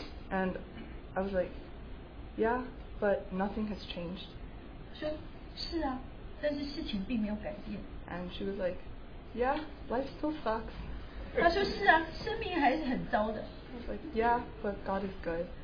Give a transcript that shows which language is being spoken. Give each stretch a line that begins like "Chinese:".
English: And I was like, "Yeah, but nothing has changed."
Chinese: 说，是啊。但是事情并没有改变。
English: And she was like, "Yeah, life still sucks."
Chinese: 她说是啊，生命还是很糟的。
English: I was like, "Yeah, but God is good."